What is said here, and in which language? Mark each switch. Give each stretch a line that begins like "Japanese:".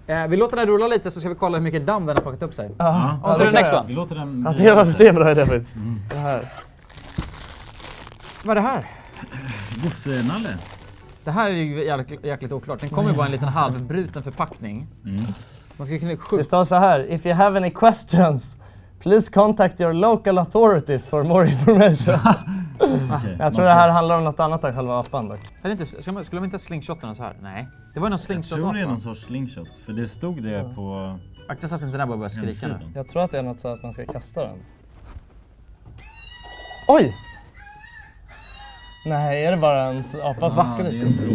Swedish: Vi låter den rulla lite så ska vi kolla hur mycket damm den har plockat upp sig. Ja. Tar du
English: next one?
Swedish: Vi låter den... Ja, det är en bra idé faktiskt. Det här. Vad är det här? Gosse-nalle. Det här är ju jäkligt oklart. Den kommer ju vara en liten halvbruten förpackning. Mm. Man ska kunna det står så här.
English: If you have any questions, please contact your local authorities for more information. Okay.
Swedish: Jag tror det här handlar om något annat än själva appen dock. Skulle man inte slingshotarna så här? Nej. Det var någon slingshot. Jag tror det är någon sorts slingshot. För det stod det på... Akta så att inte den här börjar skrika. Jag tror att det är något så att man ska kasta den. Oj! Nej, är det bara en apa som vaskar lite?